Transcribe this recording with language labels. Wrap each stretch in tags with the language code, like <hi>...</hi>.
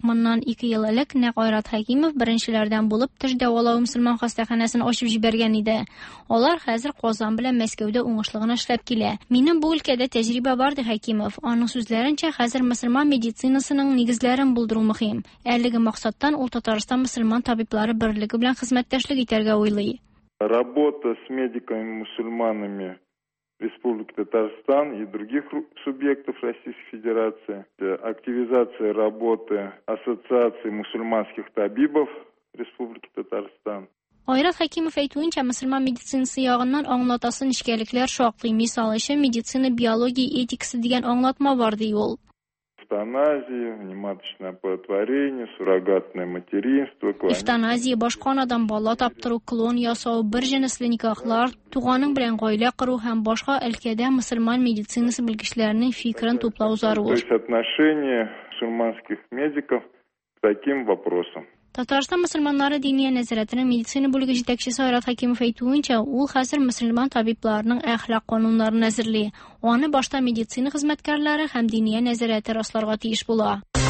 <tt>Моннан 2 ел элек Нәкайрат Хакимов беренчеләрдән булып тиш дәвалау мусульман хастаханәсен ачып җибәргән иде. Алар хәзер Казан белән Мәскәүдә уңышлы гына эшләп килә. Минем бу өлкәдә тәҗрибә бар ди Хакимов. Аның сүзләренчә, хәзер мусульман медицинасының нигезләрен булдыру мөһим. Әлеге максаттан ул Татарстан мусульман табиблары берлеге белән хезмәттәшлек итәргә уйлый.</tt> <ru>Работа с медиками-мусульманами Республики Татарстан и других субъектов Российской Федерации, активизация работы Ассоциации мусульманских табибов Республики Татарстан.</ru> <tt>Айрат Хакимов әйтүенчә, мусульман медицинасы ягыннан аңлатасын эшкәлекләр шактый. Мисал өчен, медицина биология этикасы дигән аңлатма бар ди ул.</tt> <ru>Эвтаназия, внематочное оплодотворение, суррогатное материнство.</ru> <tt>Эвтаназия, башка надан бала таптыру, клон ясау, бер җенесле никахлар, туганың белән гаилә кору һәм башка өлкәдә мусульман медицинасы белгечләренең фикерен туплау зарур.</tt> <ru>То есть отношение мусульманских медиков к таким вопросам.</ru> <tt>Татарстан мусульманнары диния нәзәрәтенең медицина бүлеге җитәкчесе Айрат Хакимов әйтүенчә, ул хәзер мусульман табибларының әхлак кануннарын әзерли. Аны башта медицина хезмәткәрләре һәм диния нәзәрәте расларга тиеш була.</tt>